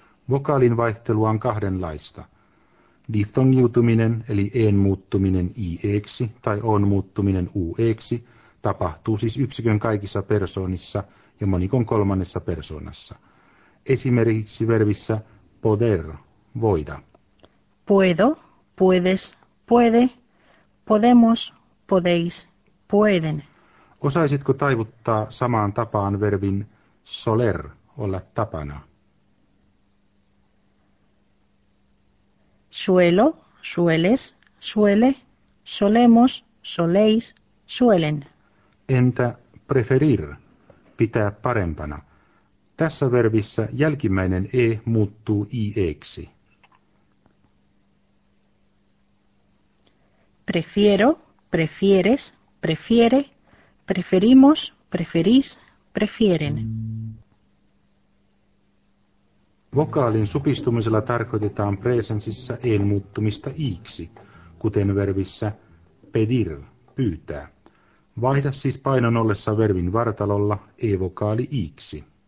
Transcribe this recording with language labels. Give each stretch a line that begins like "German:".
Finnish: Vokaalin vaihtelua on kahdenlaista. Diftongiutuminen eli en muuttuminen ieksi tai on muuttuminen ueksi tapahtuu siis yksikön kaikissa persoonissa ja monikon kolmannessa persoonassa. Esimerkiksi verbissä poder, voida.
Spanish: Puedo, puedes, puede, podemos, podéis, pueden.
Finnish: Osaisitko taivuttaa samaan tapaan verbin soler, olla tapana?
Spanish: Suelo, sueles, suele, solemos, soleis, suelen.
Finnish: Entä preferir, pitää parempana? Tässä verbissä jälkimmäinen e muuttuu ieksi.
Spanish: Prefiero, prefieres, prefiere, preferimos, preferís, prefieren.
Finnish: Vokaalin supistumisella tarkoitetaan presensissä en muuttumista iiksi, kuten verbissä pedir, pyytää. Vaihda siis painon ollessa verbin vartalolla e-vokaali iiksi.